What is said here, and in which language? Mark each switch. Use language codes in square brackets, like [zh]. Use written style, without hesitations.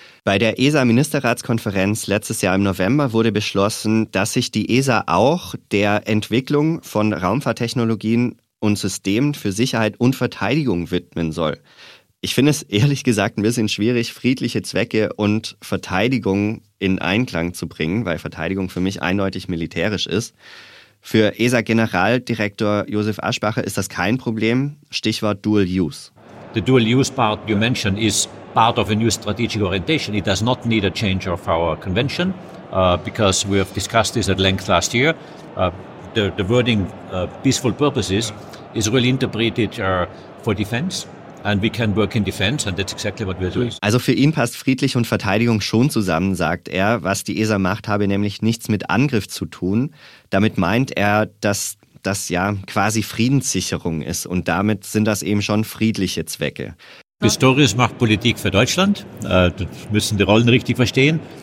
[de] Bei der ESA-Ministerratskonferenz letztes Jahr im November wurde beschlossen, dass sich die ESA auch der Entwicklung von Raumfahrttechnologien und Systemen für Sicherheit und Verteidigung widmen soll. Ich finde es ehrlich gesagt ein bisschen schwierig, friedliche Zwecke und Verteidigung in Einklang zu bringen, weil Verteidigung für mich eindeutig militärisch ist. Für ESA-Generaldirektor Josef Aschbacher ist das kein Problem. Stichwort Dual Use. [en] The dual use part you mentioned is part of a new strategic orientation. It does not need a change of our convention because we have discussed this at length last year. The wording peaceful purposes is really interpreted for defense and we can work in defense and that's exactly what we're doing. [de] Also für ihn passt friedlich und Verteidigung schon zusammen, sagt er. Was die ESA macht, habe nämlich nichts mit Angriff zu tun. Damit meint er, dass das ja quasi Friedenssicherung ist und damit sind das eben schon friedliche Zwecke. Pistorius macht Politik für Deutschland, das müssen die Rollen richtig verstehen.